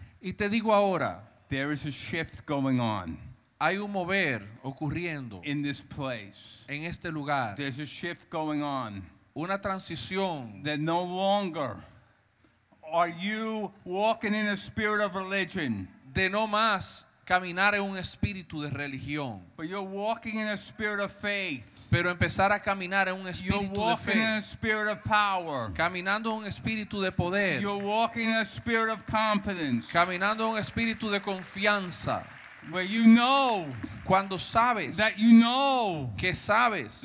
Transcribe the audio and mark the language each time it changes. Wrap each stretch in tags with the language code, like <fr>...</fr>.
<es>y te digo ahora,</es> <en>there is a shift going on.</en> <es>Hay un mover ocurriendo</es> <en>in this place.</en> <es>En este lugar.</es> <en>There's a shift going on.</en> <es>Una transición.</es> <en>That no longer are you walking in a spirit of religion.</en> <es>De no más caminar en un espíritu de religión.</es> <en>But you're walking in a spirit of faith.</en> <es>pero empezar a caminar en un espíritu de fe.</es> <en>You're walking in a spirit of power.</en> <es>Caminando en un espíritu de poder.</es> <en>You're walking in a spirit of confidence.</en> <es>Caminando en un espíritu de confianza.</es> <en>Where you know.</en> <es>Cuando sabes.</es> <en>That you know.</en> <es>Que sabes.</es>